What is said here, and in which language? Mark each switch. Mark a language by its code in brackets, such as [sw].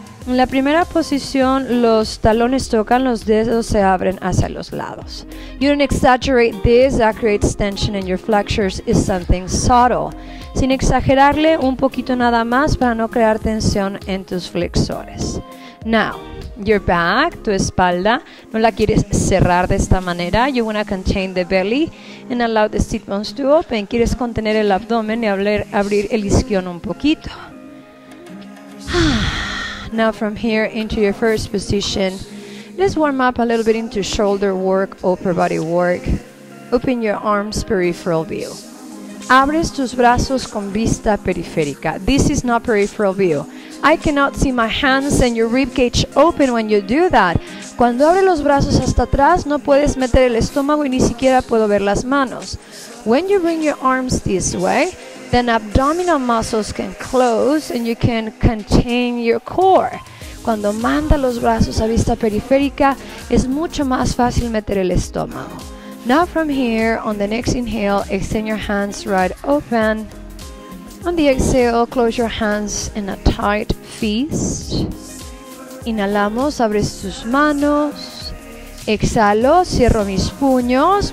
[es] En la primera posición, los talones tocan, los dedos se abren hacia los lados. [en] You don't exaggerate this, that creates tension in your flexors, is something subtle. [es] Sin exagerarle, un poquito nada más para no crear tensión en tus flexores. [en] Now, your back, [es] tu espalda, no la quieres cerrar de esta manera. [en] You want to contain the belly and allow the sit bones to open. [es] Quieres contener el abdomen y abrir el isquion un poquito. [en] Now from here into your first position. Let's warm up a little bit into shoulder work, upper body work. Open your arms, peripheral view. [es] Abres tus brazos con vista periférica. [en] This is not peripheral view. I cannot see my hands and your ribcage open when you do that. [es] Cuando abres los brazos hasta atrás, no puedes meter el estómago y ni siquiera puedo ver las manos. [en] When you bring your arms this way, then abdominal muscles can close and you can contain your core. [es] Cuando manda los brazos a vista periférica, es mucho más fácil meter el estómago. [en] Now from here, on the next inhale, extend your hands right open. On the exhale, close your hands in a tight fist. [es] Inhalamos, abres tus manos. Exhalo, cierro mis puños.